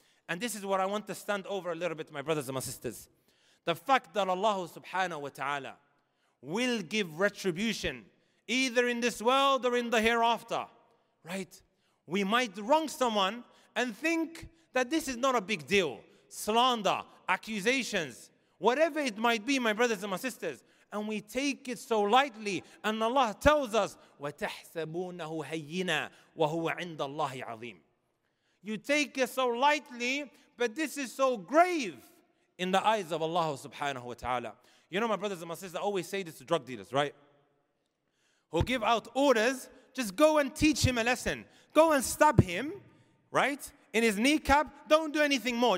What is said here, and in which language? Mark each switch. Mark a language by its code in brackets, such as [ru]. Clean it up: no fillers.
[en] And this is what I want to stand over a little bit, my brothers and my sisters. The fact that Allah subhanahu wa ta'ala will give retribution, either in this world or in the hereafter, right? We might wrong someone and think that this is not a big deal. Slander, accusations, whatever it might be, my brothers and my sisters. And we take it so lightly. And Allah tells us, [ar] وَتَحْسَبُونَهُ هَيِّنًا وَهُوَ عِنْدَ اللَّهِ عَظِيمٌ. [en] You take it so lightly, but this is so grave in the eyes of Allah subhanahu wa ta'ala. You know, my brothers and my sisters, I always say this to drug dealers, right? Who give out orders, just go and teach him a lesson. Go and stab him, right? In his kneecap, don't do anything more.